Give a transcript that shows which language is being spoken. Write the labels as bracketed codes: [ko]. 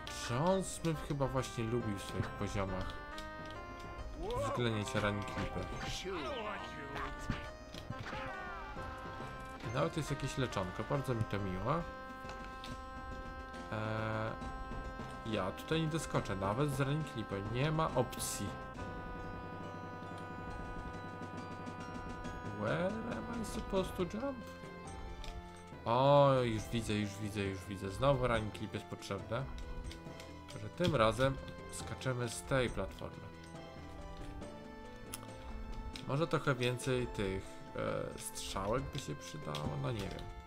[pl] Jones bym chyba właśnie lubił w swoich poziomach uwzględniać running clipy. Nawet jest jakieś leczonko, bardzo mi to miło. Ja tutaj nie doskoczę nawet z running clipy, nie ma opcji. [en] Where am I supposed to jump? [pl] O, już widzę, już widzę, już widzę. Znowu running clip jest potrzebne. Że tym razem skaczemy z tej platformy. Może trochę więcej tych strzałek by się przydało, no nie wiem.